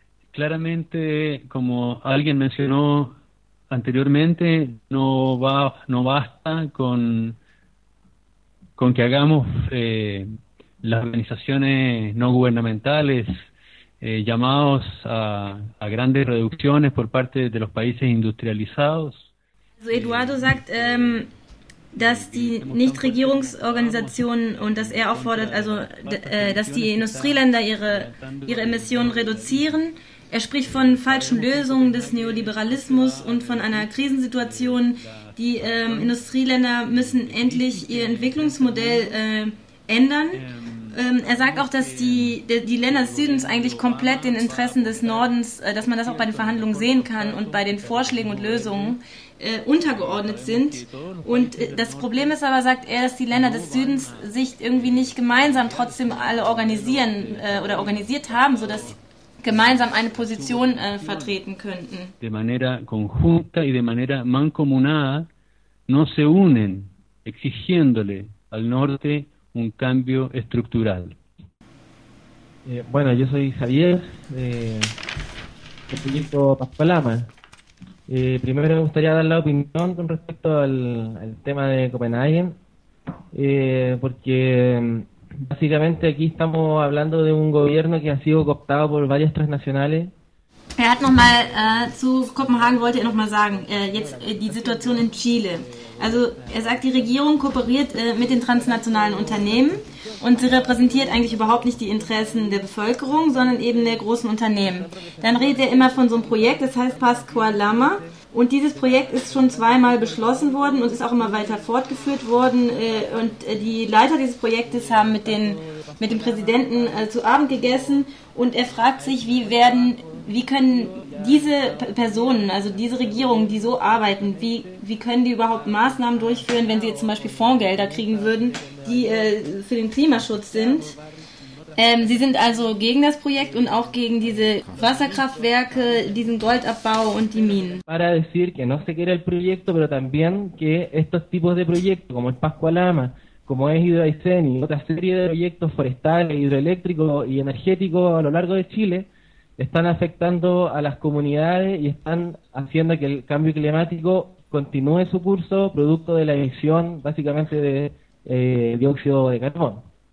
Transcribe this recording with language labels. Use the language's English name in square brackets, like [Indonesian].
[Spanish] Claramente, como alguien mencionó anteriormente, no basta con que hagamos las organizaciones no gubernamentales, llamados a grandes reducciones por parte de los países industrializados. [German] Also Eduardo sagt, dass die Nichtregierungsorganisationen und dass er auch fordert, also dass die Industrieländer ihre Emissionen reduzieren. Er spricht von falschen Lösungen des Neoliberalismus und von einer Krisensituation. Die Industrieländer müssen endlich ihr Entwicklungsmodell ändern. Er sagt auch, dass die Länder des Südens eigentlich komplett den Interessen des Nordens, dass man das auch bei den Verhandlungen sehen kann und bei den Vorschlägen und Lösungen untergeordnet sind. Und das Problem ist aber, sagt er, dass die Länder des Südens sich irgendwie nicht gemeinsam trotzdem alle organisieren oder organisiert haben, sodass gemeinsam eine Position vertreten könnten. [Spanish] De manera conjunta y de manera mancomunada no se unen exigiéndole al norte un cambio estructural. Bueno, yo soy Javier, Pepillito Pascualama. Primero me gustaría dar la opinión con respecto al tema de Copenhague, porque básicamente aquí estamos hablando de un gobierno que ha sido cooptado por varias transnacionales. [German] Er hat nochmal zu Kopenhagen, wollte er nochmal sagen, jetzt die Situation in Chile. Also er sagt, die Regierung kooperiert mit den transnationalen Unternehmen und sie repräsentiert eigentlich überhaupt nicht die Interessen der Bevölkerung, sondern eben der großen Unternehmen. Dann redet er immer von so einem Projekt, das heißt Pascualama. Und dieses Projekt ist schon zweimal beschlossen worden und ist auch immer weiter fortgeführt worden. Und die Leiter dieses Projektes haben mit dem Präsidenten zu Abend gegessen und er fragt sich, wie können diese Personen, also diese Regierungen, die so arbeiten, wie können die überhaupt Maßnahmen durchführen, wenn sie jetzt zum Beispiel Fondsgelder kriegen würden, die für den Klimaschutz sind? Sie sind also gegen das Projekt und auch gegen diese Wasserkraftwerke, diesen Goldabbau und die Minen. [Spanish] Para decir que no se quiere el proyecto, pero también que estos tipos de proyectos, como el Pascualama, como es Hidroaicén y otra serie de proyectos forestales, hidroeléctricos y energéticos a lo largo de Chile, están afectando a las comunidades y están haciendo que el cambio climático continúe su curso, producto de la emisión, básicamente, de dióxido de carbono.